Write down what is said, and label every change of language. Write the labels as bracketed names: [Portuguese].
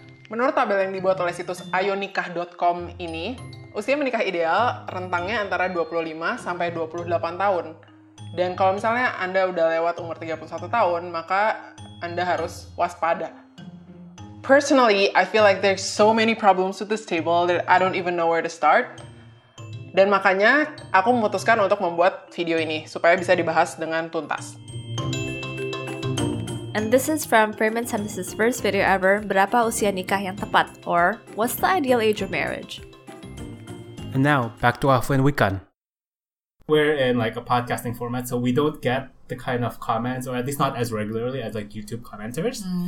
[Indonesian] Menurut tabel yang dibuat oleh situs ayonikah.com ini, usia menikah ideal rentangnya antara 25 sampai 28 tahun. Dan kalau misalnya Anda udah lewat umur 31 tahun, maka Anda harus waspada. [English] Personally, I feel like there's so many problems with this table that I don't even know where to start. [Indonesian] Dan makanya, aku memutuskan untuk membuat video ini, supaya bisa dibahas dengan tuntas. [English] And this is from Frame and Sentences' first video ever, [Indonesian] Berapa Usia Nikah Yang Tepat? [English] Or, What's the Ideal Age of Marriage? And now, back to Afu and Wikan. We're in like a podcasting format, so we don't get the kind of comments, or at least not as regularly as like YouTube commenters.